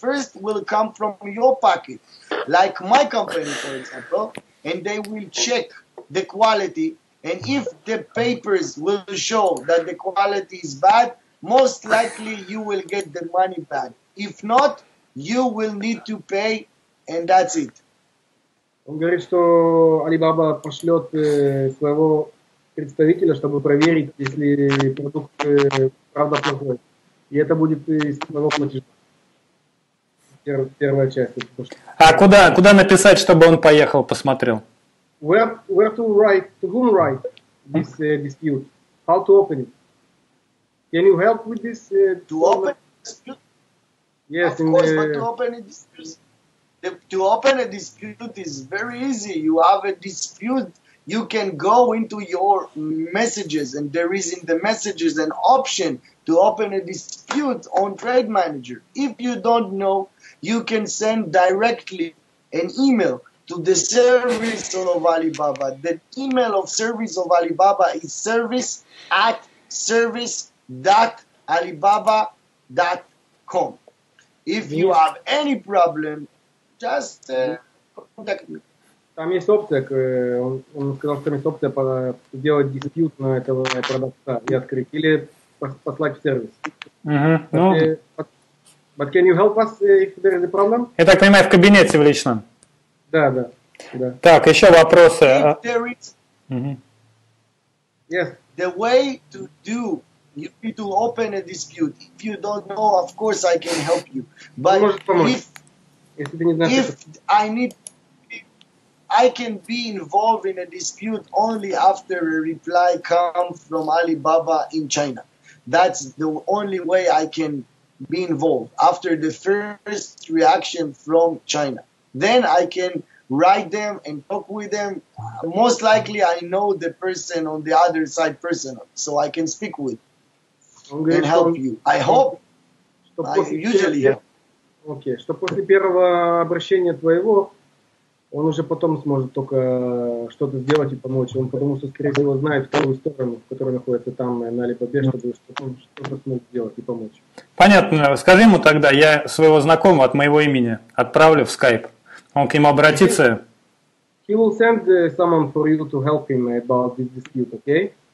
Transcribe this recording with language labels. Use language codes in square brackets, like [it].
[en] First will come from your pocket, like my company, for example, and they will check the quality. And if the papers will show that the quality is bad, most likely you will get the money back. If not, you will need to pay, and that's it. [ru] Он говорит, что Alibaba пошлет своего представителя, чтобы проверить, если продукт правда плохой. И это будет из своего платежа. Первая часть. А куда написать, чтобы он поехал, посмотрел? [en] Where to write, to whom write this dispute? How to open it? Can you help with this? To open a dispute? Yes. To open a dispute is very easy. You have a dispute, you can go into your messages, and there is in the messages an option to open a dispute on Trade Manager. If you don't know, you can send directly an email to the service of Alibaba. The email of service of Alibaba is service@alibaba.com. If you have any problem, just contact me. [ru] Там есть опция, он сказал, что там есть опция сделать диспьют на этого продавца и открыть, или послать в сервис. [en] But can you help us if there is a problem? [ru] Я так понимаю, в кабинете в личном. Да, да. Да. Так, еще вопросы. [en] Yes. The way to do, you need to open a dispute. If you don't know, of course I can help you. But [ru] может помочь, если ты не знаешь. [en] If I need, I can be involved in a dispute only after a reply comes from Alibaba in China. That's the only way I can be involved, after the first reaction from China. Then I can write them and talk with them. Most likely I know the person on the other side personally, so I can speak with and [ru] говорит, [en] help you. I hope, I usually help. [ru] Окей, что после первого обращения твоего, он уже потом сможет только что-то сделать и помочь. Он потому что, скорее всего, знает вторую сторону, в которой находится там на Алибабе, что-то сможет сделать и помочь. Понятно. Скажи ему тогда, я своего знакомого от моего имени отправлю в Skype. Он к нему обратится. [en] He will send someone for you to help him about this dispute, okay?